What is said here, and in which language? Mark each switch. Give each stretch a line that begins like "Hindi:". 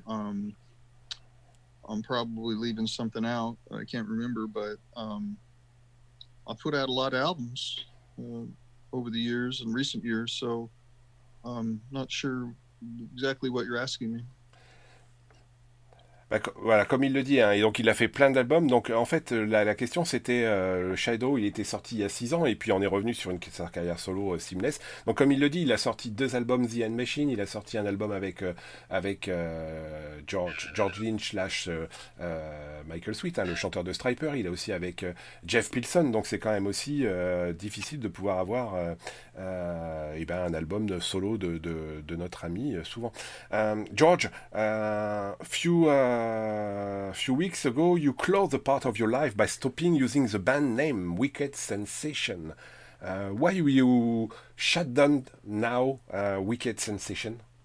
English: I'm probably leaving something out. I can't remember, but I put out a lot of albums over the years and recent years, so I'm not sure exactly what you're asking me.
French: Bah, voilà, comme il le dit, hein, et donc il a fait plein d'albums. Donc en fait, la question c'était le Shadow, il était sorti il y a 6 ans, et puis on est revenu sur sa carrière solo Seamless. Donc comme il le dit, il a sorti 2 albums The End Machine, il a sorti un album avec George Lynch / Michael Sweet, hein, le chanteur de Striper. Il a aussi avec Jeff Pilson, donc c'est quand même aussi difficile de pouvoir avoir et ben, un album de solo de notre ami souvent.
English: George, a few weeks ago, you closed a part of your life by stopping using the band name Wicked Sensation. Why will you shut down now Wicked Sensation?